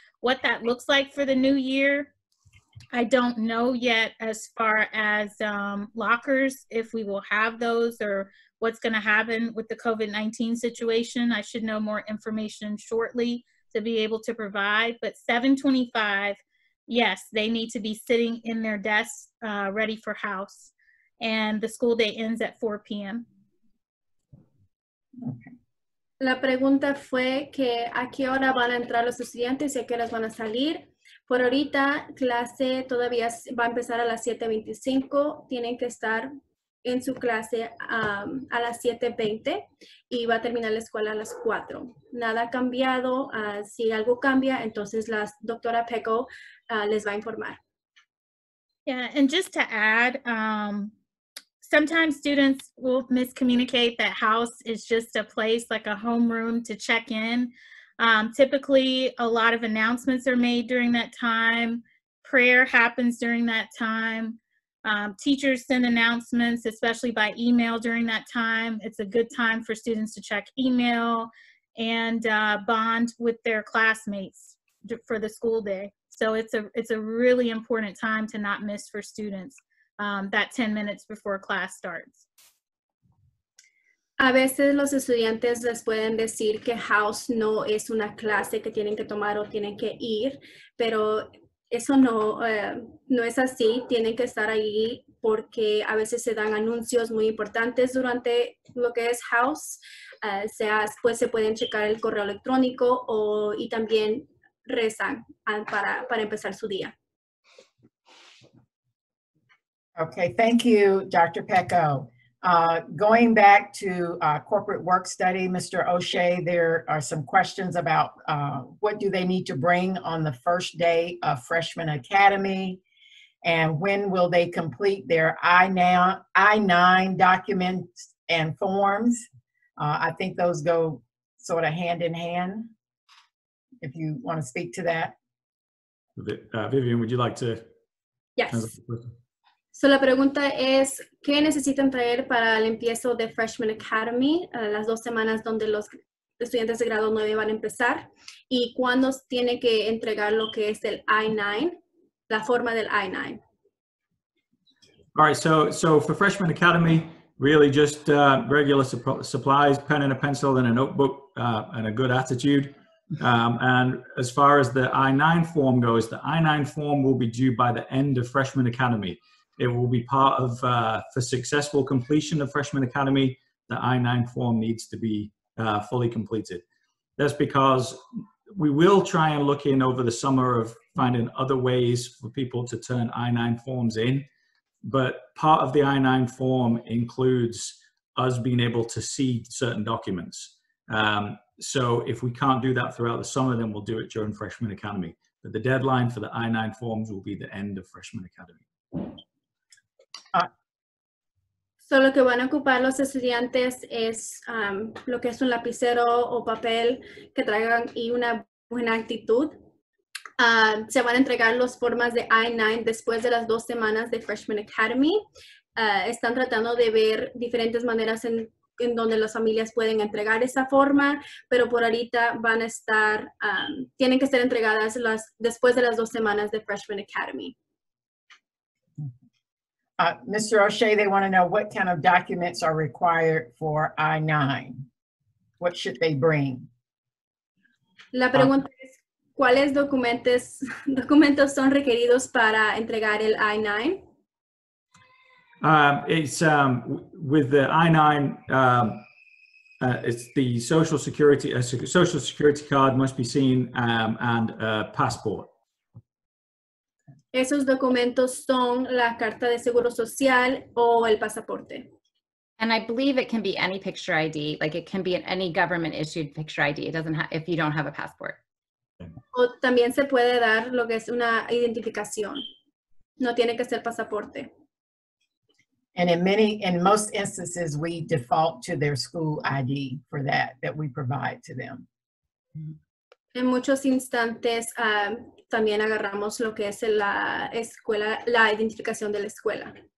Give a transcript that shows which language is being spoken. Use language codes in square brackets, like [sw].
[en] What that looks like for the new year, I don't know yet as far as lockers, if we will have those or what's gonna happen with the COVID-19 situation. I should know more information shortly to be able to provide, but 7:25, yes, they need to be sitting in their desks ready for house. And the school day ends at 4 p.m. [es] La pregunta fue que a qué hora van a entrar los estudiantes y a qué horas van a salir. Por ahorita, clase todavía va a empezar a las 7:25. Tienen que estar en su clase a las 7:20 y va a terminar la escuela a las 4. Nada ha cambiado. Si algo cambia, entonces la doctora Pecco les va a informar. [en] Yeah, and just to add, sometimes students will miscommunicate that house is just a place like a homeroom to check in. Typically, a lot of announcements are made during that time. Prayer happens during that time. Teachers send announcements, especially by email during that time. It's a good time for students to check email and bond with their classmates for the school day. So it's a really important time to not miss for students. That 10 minutes before class starts. [es] A veces los estudiantes les pueden decir que house no es una clase que tienen que tomar o tienen que ir, pero eso no es así. Tienen que estar ahí porque a veces se dan anuncios muy importantes durante lo que es house. Pues se pueden checar el correo electrónico y también rezan para empezar su día. [en] Okay, thank you, Dr. Pecco. Going back to corporate work study, Mr. O'Shea, there are some questions about what do they need to bring on the first day of Freshman Academy, and when will they complete their I-9 documents and forms? I think those go sort of hand in hand, if you want to speak to that. Vivian, would you like to? Yes. So [es] la pregunta es, ¿qué necesitan traer para el empiezo de Freshman Academy, las dos semanas donde los estudiantes de grado 9 van a empezar? ¿Y cuándo tiene que entregar lo que es el I-9, la forma del I-9? [en] All right, so for Freshman Academy, really just regular supplies, pen and a pencil and a notebook and a good attitude. And as far as the I-9 form goes, the I-9 form will be due by the end of Freshman Academy. It will be part of, for successful completion of Freshman Academy, the I-9 form needs to be fully completed. That's because we will try and look in over the summer of finding other ways for people to turn I-9 forms in. But part of the I-9 form includes us being able to see certain documents. So if we can't do that throughout the summer, then we'll do it during Freshman Academy. But the deadline for the I-9 forms will be the end of Freshman Academy. So [es] lo que van a ocupar los estudiantes es lo que es un lapicero o papel que traigan y una buena actitud Se van a entregar los formas de I-9 después de las dos semanas de Freshman Academy. Están tratando de ver diferentes maneras en donde las familias pueden entregar esa forma, pero por ahorita van a estar, tienen que ser entregadas después de las dos semanas de Freshman Academy. [en] Mr. O'Shea, they want to know what kind of documents are required for I-9. What should they bring? [es] La pregunta es, ¿cuáles documentos son requeridos para entregar el I-9? [en] With the I-9, it's the social security card must be seen, and a passport. [es] Esos documentos son la carta de seguro social o el pasaporte. [en] And I believe it can be any picture ID, like it can be any government issued picture ID. It doesn't have, if you don't have a passport. [es] O también se puede dar lo que es una identificación. No tiene que ser pasaporte. [en] And in most instances, we default to their school ID for that we provide to them. [es] En muchos instantes, también agarramos lo que es la escuela, la identificación de la escuela.